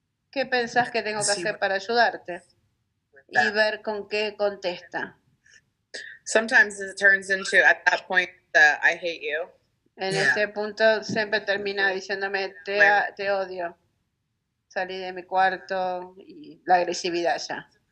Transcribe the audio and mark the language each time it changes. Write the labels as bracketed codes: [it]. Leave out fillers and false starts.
[es] ¿Qué pensás que tengo que hacer para ayudarte? Y ver con qué contesta. [en] Sometimes it turns into, at that point, the I hate you. [es] En este punto siempre termina diciéndome te odio. Salí de mi cuarto y la agresividad ya.